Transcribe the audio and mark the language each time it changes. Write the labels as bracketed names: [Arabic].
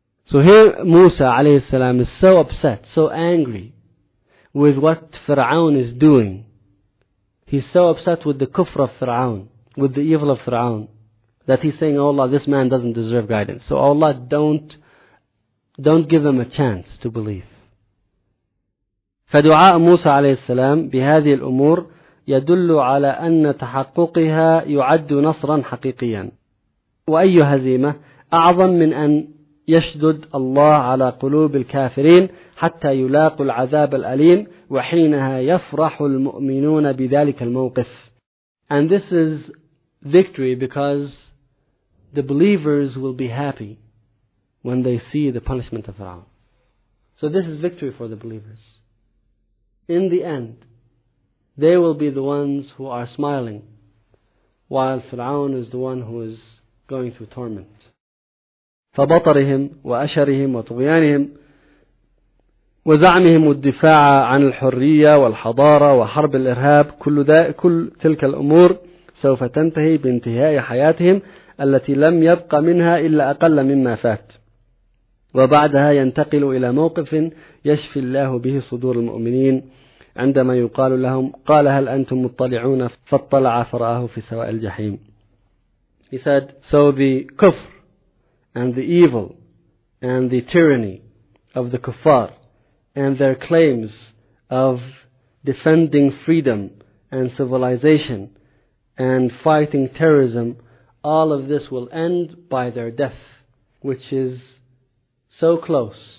[English] So here Musa alayhi salam is so upset, so angry with what Fir'aun is doing. He's so upset with the kufr of Fir'aun, with the evil of Fir'aun, that he's saying, oh Allah, this man doesn't deserve guidance. So oh Allah, don't give them a chance to believe. [Arabic] فَدُعَاءَ مُوسَى عَلَيْهِ السَّلَامِ بِهَذِهِ الْأُمُورِ يَدُلُّ عَلَىٰ أَنَّ تَحَقُّقِهَا يُعَدُّ نَصْرًا حَقِيقِيًّا وَأَيُّ هَزِيمَةَ أَعْظَمْ مِنْ أَنْ يشدد الله على قلوب الكافرين حتى يلاقوا العذاب الأليم وحينها يفرح المؤمنون بذلك الموقف. [English] And this is victory because the believers will be happy when they see the punishment of Fir'aun. So this is victory for the believers. In the end, they will be the ones who are smiling while Fir'aun is the one who is going through torment. [Arabic] فبطرهم وأشرهم وطغيانهم وزعمهم الدفاع عن الحرية والحضارة وحرب الإرهاب كل تلك الأمور سوف تنتهي بانتهاء حياتهم التي لم يبق منها إلا أقل مما فات وبعدها ينتقل إلى موقف يشفي الله به صدور المؤمنين عندما يقال لهم قال هل أنتم مطلعون فاطلع فرآه في سواء الجحيم. [English] He said, so the kufr and the evil and the tyranny of the kuffar and their claims of defending freedom and civilization and fighting terrorism, all of this will end by their death, which is so close.